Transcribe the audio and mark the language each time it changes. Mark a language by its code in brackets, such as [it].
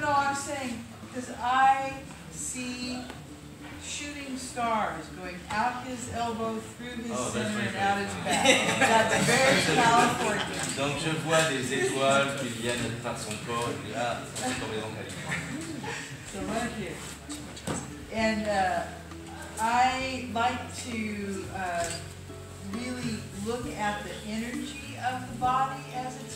[en] No, I'm saying, because I see shooting stars going out his elbow, through his center, and out his back. That's very California. [fr] Donc je vois des étoiles qui viennent de par son corps, et là, ça se trouve en Californie. [en] So right here. And I like to really look at the energy of the body as it's.